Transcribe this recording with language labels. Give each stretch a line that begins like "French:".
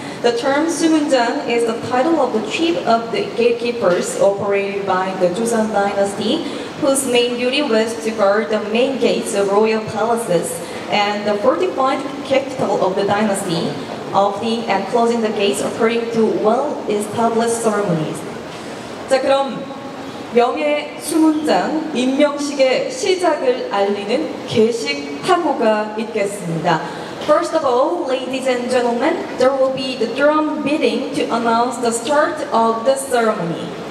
English: The term 수문장 is the title of the chief of the gatekeepers operated by the Joseon dynasty, whose main duty was to guard the main gates of royal palaces and the fortified capital of the dynasty, opening and closing the gates according to well-established ceremonies.
Korean: 자, 그럼 명예 수문장 임명식의 시작을 알리는 개식타고가 있겠습니다.
English: First of all, ladies and gentlemen, there will be the drum beating to announce the start of the ceremony.